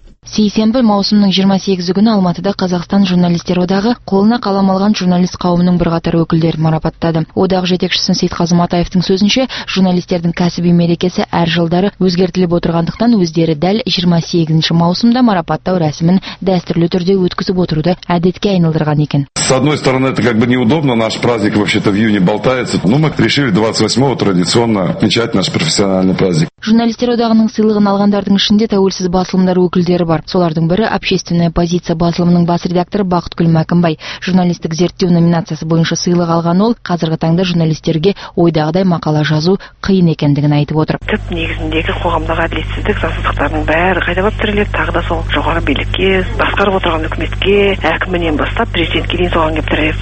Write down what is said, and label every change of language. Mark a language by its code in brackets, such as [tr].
[kk] Сейсенбі маусымның 28-і күні Алматыда Қазақстан журналистер одағы қолына қалам алған журналист қауымының бірқатар өкілдерін марапаттады. Одақ жетекшісін Сейтқазы Матаевтың сөзінше, журналистердің кәсіби мерекесі әр жылдары өзгертіліп отырғандықтан өздері дәл 28-ші маусымда марапаттау рәсімін дәстүрлі түрде өткізіп отыруды әдетке айналдырған екен. [ru] С одной стороны, это как бы неудобно, наш праздник вообще-то в июне болтается. Но мы решили 28-го традиционно отмечать наш профессиональный праздник. [kk] Журналистер одағының сыйлығын алғандардың ішінде тәуелсіз басылымдар өкілдері бар. Солардың бірі «Общественная позиция» басылымының бас редакторы Бақытгүл Мәкімбай. Журналистік зерттеу номинациясы бойынша сыйлық алған ол, қазіргі таңда журналистерге ойдағыдай мақала жазу қиын екендігін айтып отыр. Түп негізіндегі қоғамдағы әділетсіздік, заңсыздықтардың бәрі қайталап тіріледі, тағы да сол жоғары билікке, басқарып отырған үкіметке, әкімінен бастап президентке дейін соған кеп тіреледі.